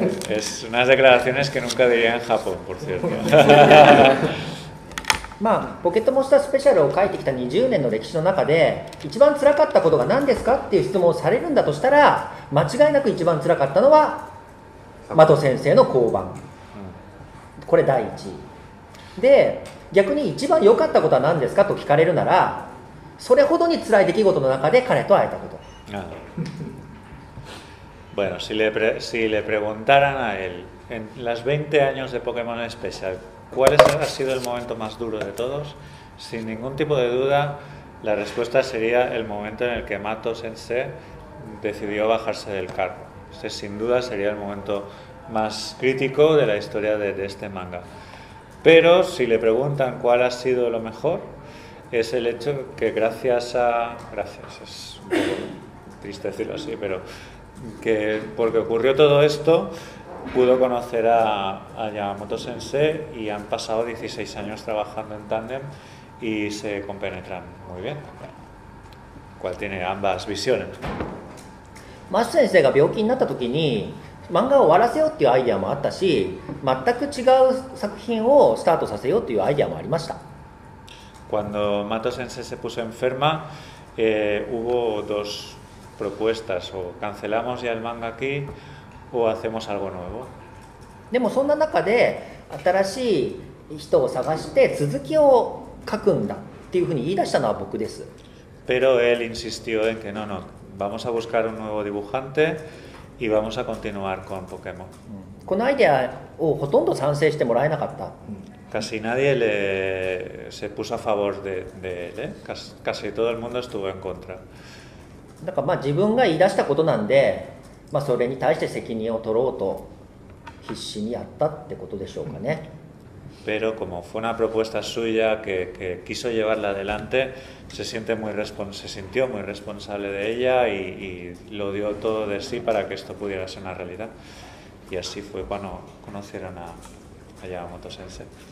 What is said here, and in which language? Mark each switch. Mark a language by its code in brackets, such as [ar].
[es] Es unas declaraciones que nunca diría en Japón, por cierto. [ja] まあ、ポケットモンスタースペシャルを書いてきた20年の歴史の中で一番辛かったことが何ですかっていう質問をされるんだとしたら、間違いなく一番辛かったのは的先生の降板、これ第一で、逆に一番良かったことは何ですかと聞かれるなら、それほどに辛い出来事の中で彼と会えたこと。 [es] Bueno, si le preguntaran a él en las 20 años de Pokémon Special, ¿cuál ha sido el momento más duro de todos? Sin ningún tipo de duda, la respuesta sería el momento en el que Mato Sensei decidió bajarse del carro. Ese sin duda sería el momento más crítico de la historia de este manga. Pero si le preguntan cuál ha sido lo mejor, es el hecho que gracias, es triste decirlo así, pero que porque ocurrió todo esto, pudo conocer a Yamamoto Sensei y han pasado 16 años trabajando en tándem y se compenetran muy bien. ¿Cuál tiene ambas visiones? [ja] Mato Sensei が病気になった時に漫画を終わらせようっていうアイデアもあったし、全く違う作品をスタートさせようというアイデアもありました。 [es] Cuando Mato Sensei se puso enferma, hubo dos propuestas, o cancelamos ya el manga aquí o hacemos algo nuevo. [ja] でもそんな中で新しい人を探して続きを書くんだっていうふうに言い出したのは僕です。 [es] Pero él insistió en que no, vamos a buscar un nuevo dibujante y vamos a continuar con Pokémon. [ja] このアイデアをほとんど賛成してもらえなかった。 [es] Casi nadie se puso a favor de él, ¿eh? Casi todo el mundo estuvo en contra. [ja] だからまあ自分が言い出したことなんで、まあ、それに対して責任を取ろうと必死にやったってことでしょうかね。 [es] Pero como fue una propuesta suya que quiso llevarla adelante, se sintió muy responsable de ella y lo dio todo de sí para que esto pudiera ser una realidad. Y así fue cuando conocieron a Yamamoto Sensei.